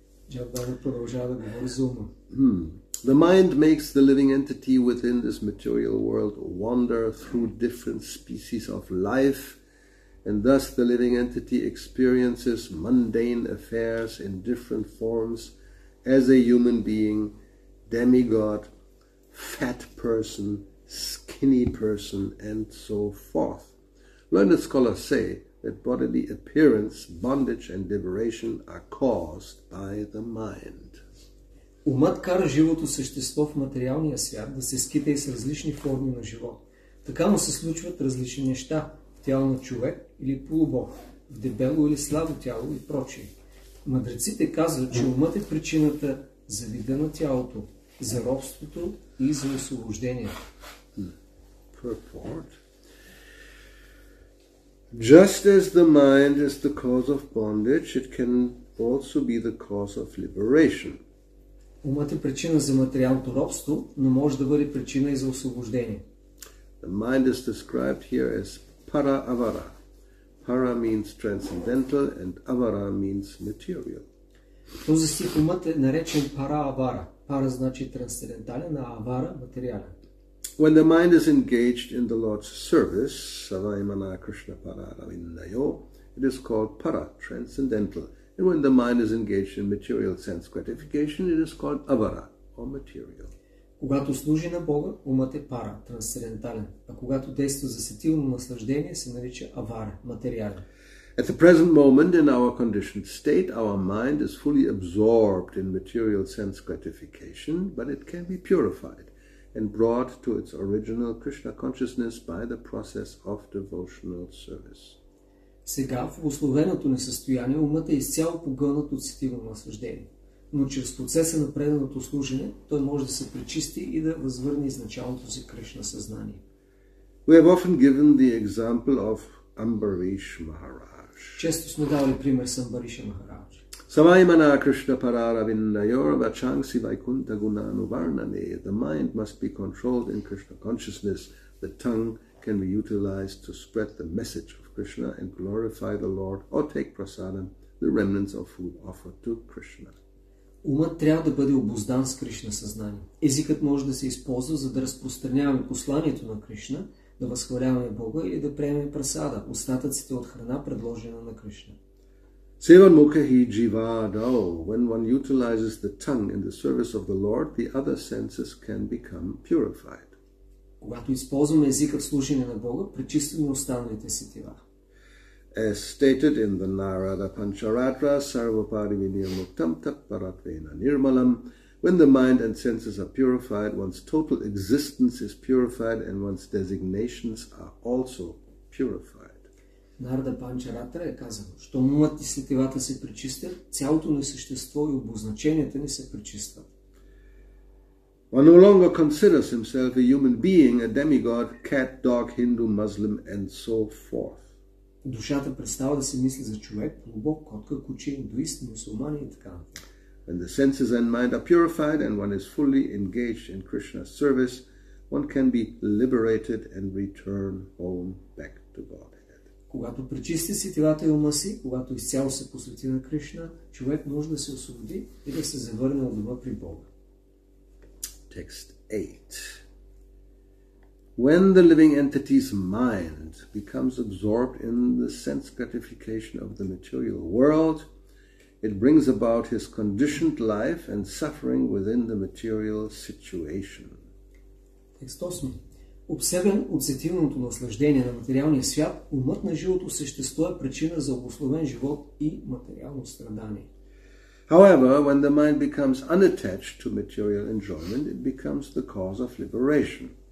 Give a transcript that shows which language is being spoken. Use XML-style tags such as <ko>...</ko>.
<en>The mind makes the living entity within this material world wander through different species of life, and thus the living entity experiences mundane affairs in different forms as a human being, demigod, fat person, skinny person, and so forth. Learned scholars say that bodily appearance, bondage, and liberation are caused by the mind.</en> <bg>Умът кара живото същество в материалния свят да се скита и с различни форми на живот. Така му се случват различни неща в тяло на човек или полубог, в дебело или слабо тяло и прочие. Мъдреците казват, че умът е причината за вида на тялото, за робството и за освобождението.</bg> <en>Purport. Just as the mind is the cause of bondage, it can also be the cause of liberation.</en> <bg>Умът е причина за материалното робство, но може да бъде причина и за освобождение.</bg> <en>The mind is described here as para avara. Para means transcendental and avara means material.</en> <bg>Този стих умът е наречен para avara. Para значи трансцендентален, а avara материален.</bg> <en>When the mind is engaged in the Lord's service,</en> <sa>Savaimana Krishna Pararavindayo,</sa> <en>it is called para, transcendental. And when the mind is engaged in material sense gratification, it is called avara, or material.</en> <bg>Когато служи на Бога, умът е para, трансцендентален. А когато действа за сетивно наслаждение, се нарича avara, материален.</bg> <en>At the present moment, in our conditioned state, our mind is fully absorbed in material sense gratification, but it can be purified and brought to its original Krishna consciousness by the process of devotional service.</en> <bg>Сега в условеното несъстояние умът е изцяло погълнат от сетивно наслаждение, но чрез процеса на преданото служене той може да се пречисти и да възвърне изначалното си Кришна съзнание.</bg> <en>We have often given the example of Ambarish Maharaj.</en> <bg>Често сме давали пример с Амбариша Махарадж.</bg> <sa>Savaimana Krishna Pararavindayor Vachangsi Vaikuntha Gunanu Varnane.</sa> <en>The mind must be controlled in Krishna consciousness. The tongue can be utilized to spread the message of Krishna and glorify the Lord or take prasadam, the remnants of food offered to Krishna.</en> <bg>Умът трябва да бъде обуздан с Кришна съзнание. Езикът може да се използва, за да разпространяваме посланието на Кришна, да възхваляваме Бога и да приемем прасада, остатъците от храна, предложена на Кришна.</bg> <sa>Sevan mukhi jiva dao.</sa> <en>When one utilizes the tongue in the service of the Lord, the other senses can become purified.</en> <bg>Когато използваме езика в служение на Бога, пречистваме останалите сетива.</bg> <en>As stated in the Narada Pancharatra,</en> <sa>sarva parivinir muktam tat paratvena nirmalam,</sa> <en>when the mind and senses are purified, one's total existence is purified and one's designations are also purified.</en> <bg>Narada Pancharatra е казано, що умът и сетивата се пречистят, цялото ни същество и обозначенията ни се пречистват.</bg> <en>One no longer considers himself a human being, a demigod, cat, dog, Hindu, Muslim, and so forth.</en> <bg>Душата престава да се мисли за човек, полубог, котка, куче, индуист, мусулман и така.</bg> <en>When the senses and mind are purified and one is fully engaged in Krishna's service, one can be liberated and return home back to Godhead.</en> <bg>Когато пречисти сетивата и ума си, когато изцяло се посвети на Кришна, човек може да се освободи и да се завърне от дома при Бога.</bg> <en>Text 8. When the living entity's mind becomes absorbed in the sense gratification of the material world, it brings about his conditioned life and suffering within the material situation.</en> <bg>Текст 8. Обсебен от сетивното наслаждение на материалния свят, умът на живото същество е причина за обусловен живот и материално страдание.</bg> <en>However, when the mind becomes unattached to material enjoyment, it becomes the cause of liberation.</en>